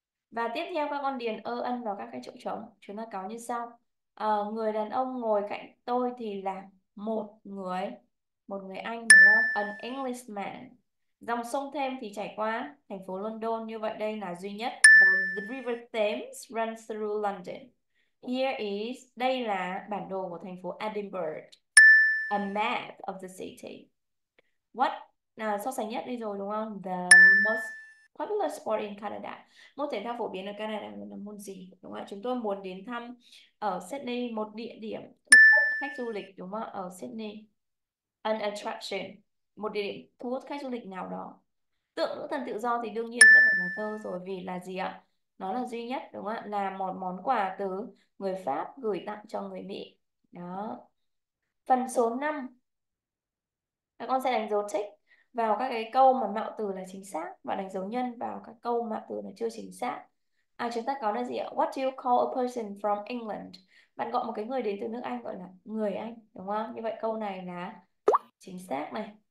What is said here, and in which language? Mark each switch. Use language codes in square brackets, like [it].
[vi] Và tiếp theo các con điền ơ ân vào các cái chỗ trống. Chúng ta có như sau. Người đàn ông ngồi cạnh tôi thì là một người Anh đúng không? [en] An Englishman. [vi] Dòng sông Thames thì chảy qua thành phố London, như vậy đây là duy nhất. [en] The River Thames runs through London. Here is, [vi] đây là bản đồ của thành phố Edinburgh. [en] A map of the city. What? [vi] So sánh nhất đi rồi đúng không? [en] The most popular sport in Canada. [vi] Môn thể thao phổ biến ở Canada là môn gì? Đúng không? Chúng tôi muốn đến thăm ở Sydney, một địa điểm thu hút khách du lịch đúng không? Ở Sydney. [en] An attraction. [vi] Một địa điểm thu hút khách du lịch nào đó. Tượng nữ thần tự do thì đương nhiên sẽ phải là thơ rồi vì là gì ạ? Nó là duy nhất đúng không ạ, là một món quà từ người Pháp gửi tặng cho người Mỹ đó. Phần số 5, các con sẽ đánh dấu tick vào các cái câu mà mạo từ là chính xác và đánh dấu nhân vào các câu mạo từ là chưa chính xác. Chúng ta có là gì ạ? [en] What do you call a person from England? [vi] Bạn gọi một cái người đến từ nước Anh gọi là người Anh đúng không? Như vậy câu này là chính xác này.